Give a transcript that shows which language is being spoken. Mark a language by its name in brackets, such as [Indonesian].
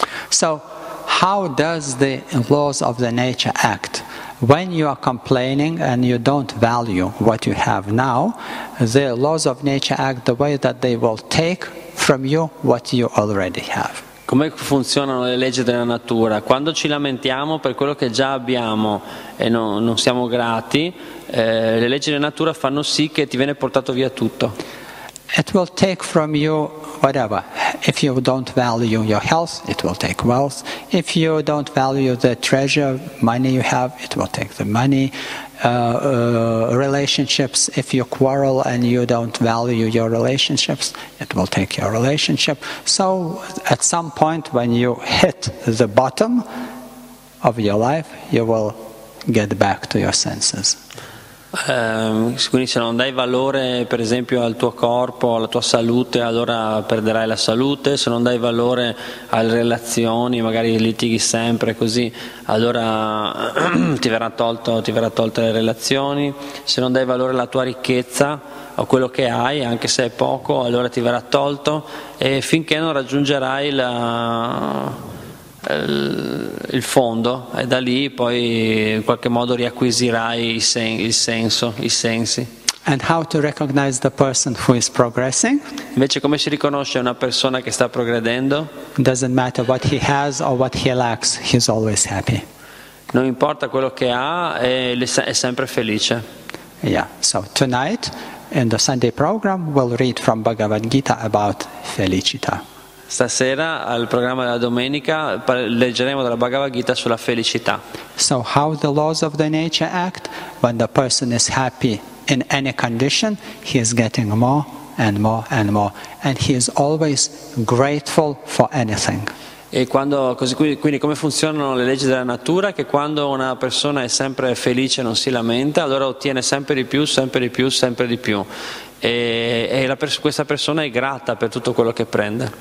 [English] So, how does the laws of the nature act? When you are complaining and you don't value what you have now, the laws of nature act the way that they will take from you what you already have. [Italian] Come funzionano le leggi della natura? Quando ci lamentiamo per quello che già abbiamo e non siamo grati, le leggi della natura fanno sì che ti viene portato via tutto. [English] It will take from you whatever. If you don't value your health, it will take wealth. If you don't value the treasure, money you have, it will take the money. Relationships, if you quarrel and you don't value your relationships, it will take your relationship. So at some point when you hit the bottom of your life, you will get back to your senses. [Italian] Quindi se non dai valore per esempio al tuo corpo, alla tua salute, allora perderai la salute. Se non dai valore alle relazioni, magari litighi sempre così, allora ti verrà tolto le relazioni. Se non dai valore alla tua ricchezza o quello che hai, anche se è poco, allora ti verrà tolto, e finché non raggiungerai il fondo, e da lì poi in qualche modo riacquisirai i sensi. [English] And how to recognize the person who is progressing? [Italian] Invece come si riconosce una persona che sta progredendo? [English] Doesn't matter what he has or what he lacks, he's always happy. [Italian] Non importa quello che ha, è sempre felice. [English] Yeah, so tonight in the Sunday program we'll read from Bhagavad Gita about felicità. [Italian] Stasera al programma della domenica leggeremo dalla Bhagavad Gita sulla felicità. [English] So how the laws of the nature act when the person is happy in any condition, he is getting more and more and more, and he is always grateful for anything. [Italian] E quando così, quindi come funzionano le leggi della natura, che quando una persona è sempre felice, non si lamenta, allora ottiene sempre di più, sempre di più, sempre di più. E questa persona è grata per tutto quello che prende.